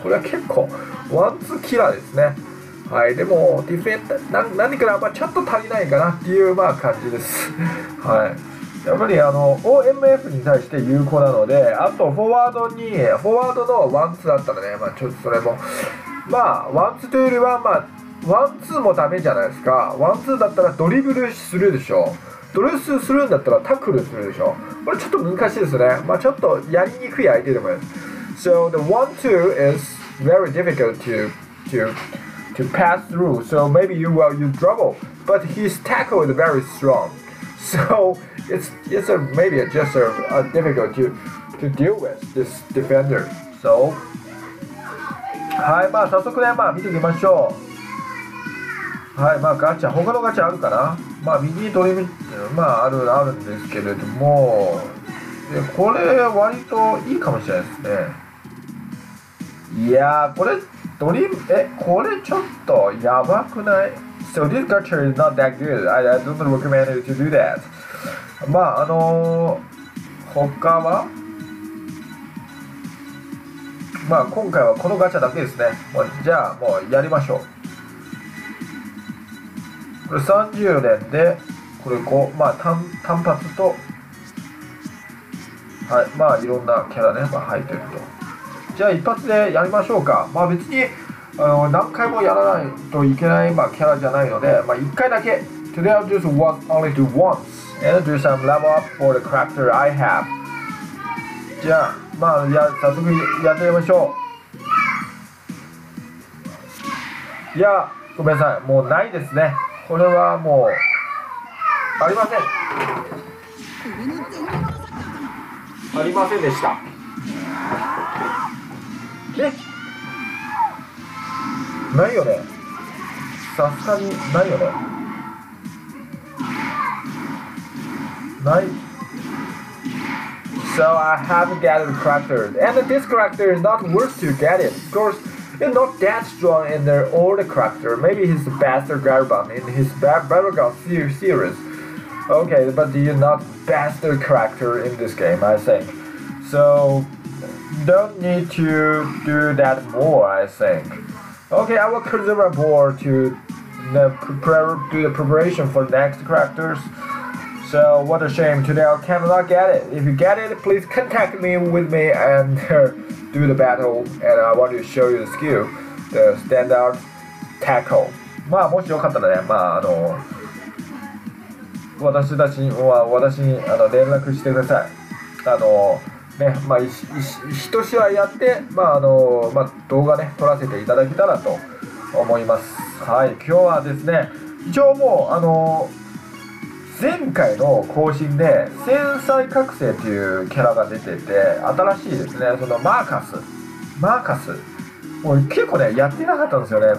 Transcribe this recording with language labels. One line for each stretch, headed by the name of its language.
Japanese: これは結構、ワンツーキラーですね。はい、でもディフェンダー何かまあちょっと足りないかなっていうまあ感じですはい、やっぱりOMF に対して有効なので、あとフォワードのワンツーだったらね、まあちょっとそれもまあワンツーというよりはまあワンツーもダメじゃないですか。ワンツーだったらドリブルするでしょ、ドリブルするんだったらタックルするでしょ、これちょっと難しいですね。まあちょっとやりにくい相手でもいいです。
English: So the one two is very difficult to pass through, so maybe you will use trouble, but his tackle is very strong, so it's difficult to deal with this defender. So,
Japanese: はい、まあ早速ね、まあ見ていきましょう。はい、まあガチャ、他のガチャあるかな。まあ右取り、まああるあるんですけれども、これ割といいかもしれないですね。いやー、これ。これちょっとやばくない？
English: So this character is not that good. I don't recommend you to do that.
Japanese: まあ他は？まあ今回はこのガチャだけですね。まあ、じゃあもうやりましょう。これ30連で、これ5、まあ単発と、はい、まあいろんなキャラね、まあ入ってると。じゃあ一発でやりましょうか。まあ別に何回もやらないといけない、まあ、キャラじゃないので、まあ、1回だけ。
English: Today I'll just work only do once and do some level up for the character I have.
Japanese: じゃあ、まあ、早速やってみましょう。いや、ごめんなさい。もうないですね。これはもう、ありません。ありませんでした。ないよね、さすがにないよね、ない。
English: So I haven't got the character, and this character is not worth to get it. Of course, it's not that strong in their old character. Maybe he's the best Garbon in his Battleground series. Okay, but he's not best character in this game, I think. So don't need to do that more, I think. Okay, I will conserve my board to the prepare do the preparation for the next characters. So what a shame, today I cannot get it. If you get it, please contact me with me and do the battle, and I want to show you the skill, the standard tackle.
Japanese: まあもしよかったらね、まああの私たちは私にあの連絡してください。あのね、まあ一試合やって、まああのまあ、動画ね撮らせていただけたらと思います。はい、今日はですね、一応もうあの前回の更新で戦災覚醒というキャラが出てて、新しいですね、そのマーカスもう結構ねやってなかったんですよね。